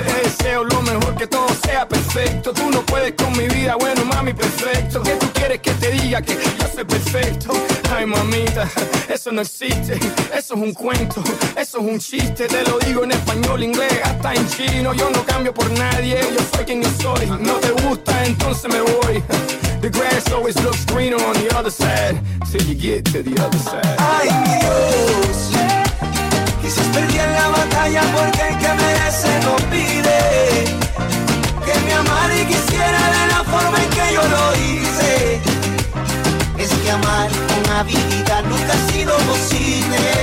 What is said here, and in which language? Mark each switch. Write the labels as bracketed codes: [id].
[es] Te deseo lo mejor, que todo sea perfecto. Tú no puedes con mi vida, bueno, mami, perfecto. ¿Qué tú quieres que te diga? Que yo soy perfecto. Ay, mamita, eso no existe. Eso es un cuento, eso es un chiste. Te lo digo en español, inglés, hasta en chino. Yo no cambio por nadie, yo soy quien yo soy. No te gusta, entonces me voy. [en] The grass always looks greener on the other side, till you get to the other side. [es] Ay, mi Dios, quizás perdí en la batalla porque el que merece no pide que me amara y quisiera de la forma en que yo lo hice. Es que amar con habilidad nunca ha sido posible.